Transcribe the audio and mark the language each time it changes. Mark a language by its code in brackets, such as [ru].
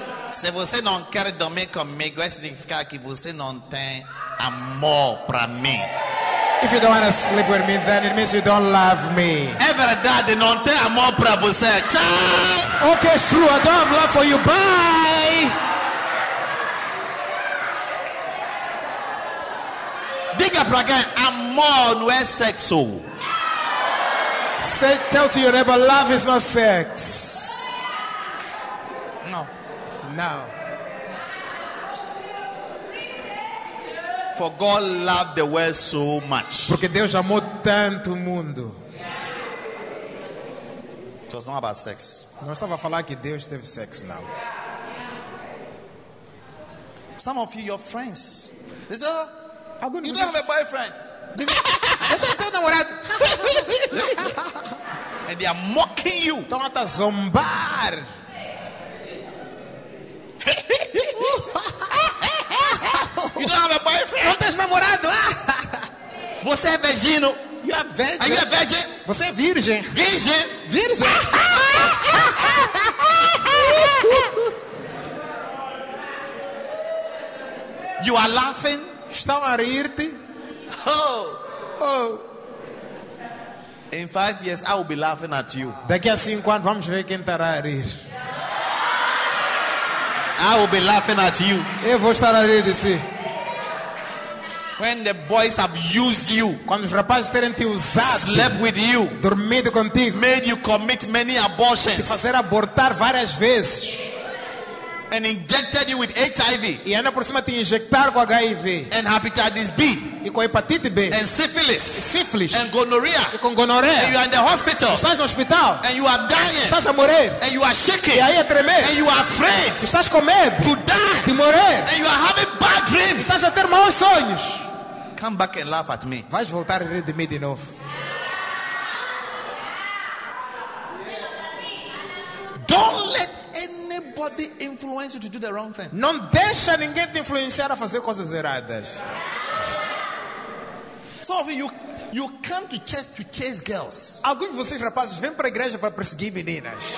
[pt] Se você não quer dormir comigo, isso significa que você não tem amor para mim. [en] If you don't want to sleep with me, then it means you don't love me. [pt] É verdade, não tem amor para você. Tchau. [en] Okay, it's true. I don't have love for you. Bye. [pt] Diga para quem amor não é sexo. [en] Say, tell to your neighbor, love is not sex. No. Now, for God loved the world so much. [pt] Porque Deus amou tanto o mundo. [en] It was not about sex. [pt] Não estava a falar que Deus teve sexo, não. [en] Some of you, your friends, they say, you don't have a boyfriend. [pt] Deixa eu estar namorado. [en] And they are mocking you. [pt] Estão a te zombar. [en] You don't have a boyfriend. [pt] Não tens namorado. Você é virgino. [en] You are virgin. Are you a virgin? [pt] Você é virgem. Virgem. Virgem. [en] You are laughing. [pt] Estão a rir-te. Oh. Oh. [en] In 5 years, I will be laughing at you. [pt] Daqui a 5 anos, vamos ver quem estará a rir. [en] I will be laughing at you. [pt] Eu vou estar a rir de si. [en] When the boys have used you. [pt] Quando os rapazes terem te usado. [en] Slept with you. [pt] Dormido contigo. [en] Made you commit many abortions. [pt] Te fazer abortar várias vezes. [en] And injected you with HIV. [pt] E ainda por cima te injectar com HIV. [en] And hepatitis B. [pt] E com hepatite B. [en] And syphilis. [pt] E sífilis. [en] And gonorrhea. [pt] E com gonorreia. [en] And you are in the hospital. [pt] E estás no hospital. [en] And you are dying. [pt] Estás a morrer. [en] And you are shaking. [pt] E aí a tremer. [en] And you are afraid. [pt] E estás com medo. [en] To die. [pt] De morrer. [en] And you are having bad dreams. [pt] E estás a ter maus sonhos. [en] Come back and laugh at me. [pt] Vais voltar a rir de mim de novo. [en] Don't let nobody influence you to do the wrong thing. [pt] Não deixa ninguém te influenciar a fazer coisas erradas. [en] Some of you come to church to chase girls. [pt] Alguns de vocês rapazes vêm para a igreja para perseguir meninas.